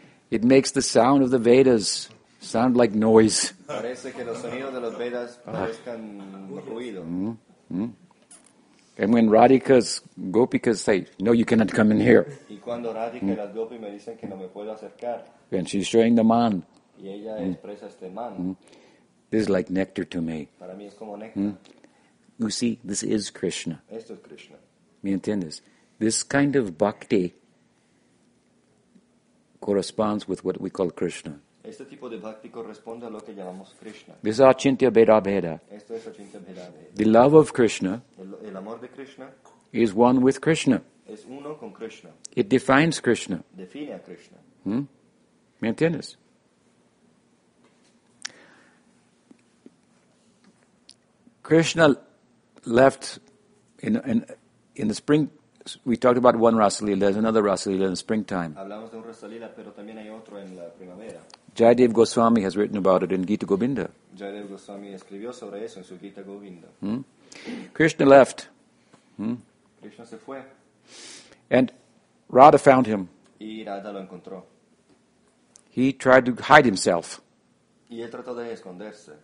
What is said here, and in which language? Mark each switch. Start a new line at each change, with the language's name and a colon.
English: It makes the sound of the Vedas sound like noise.
Spanish: Parece que los sonidos de los Vedas parezcan ruido.
English: And when Radhika's Gopikas say, no, you cannot come in here.
Spanish: Y cuando Radhika y las Gopis me dicen que no me puedo acercar.
English: And she's showing the man.
Spanish: Y ella expresa este man.
English: This is like nectar to me.
Spanish: Para mí es como néctar.
English: You see, this is Krishna.
Spanish: Esto es Krishna. ¿Me entiendes?
English: This kind of bhakti corresponds with what we call Krishna.
Spanish: Este tipo de bhakti corresponde a lo que llamamos Krishna.
English: This is achintya bheda bheda.
Spanish: Esto es achintya bheda bheda.
English: The love of Krishna,
Spanish: el amor de Krishna
English: is one with Krishna.
Spanish: Es uno con Krishna.
English: It defines Krishna.
Spanish: Define a Krishna. ¿Me entiendes?
English: Krishna left in the spring. We talked about one Rasalila. There's another Rasalila in the springtime.
Spanish: Hablamos de un Rasalila, pero también hay otro en la primavera.
English: Jayadev Goswami has written about it in Gita Govinda.
Spanish: Jayadev Goswami escribió sobre eso en su Gita Govinda.
English: Krishna left.
Spanish: Krishna se fue.
English: And Radha found him.
Spanish: Y Radha lo encontró.
English: He tried to hide himself.
Spanish: Y él trató de esconderse.